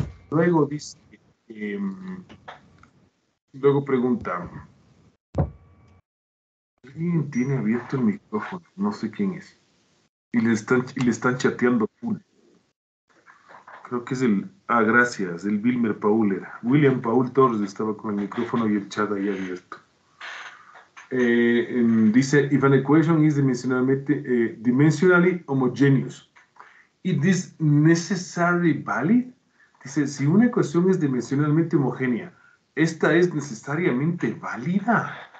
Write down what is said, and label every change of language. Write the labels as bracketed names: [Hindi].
[Spanish] Luego dice, luego pregunta, ¿alguien tiene abierto el micrófono? No sé quién es. Y le están chateando full. Creo que es gracias, el Wilmer Paul era. William Paul Torres estaba con el micrófono y el chat ahí abierto. [English] Dice, if an equation is dimensionally homogeneous, it is necessarily valid? [Spanish] Dice, si una ecuación es dimensionalmente homogénea, ¿esta es necesariamente válida?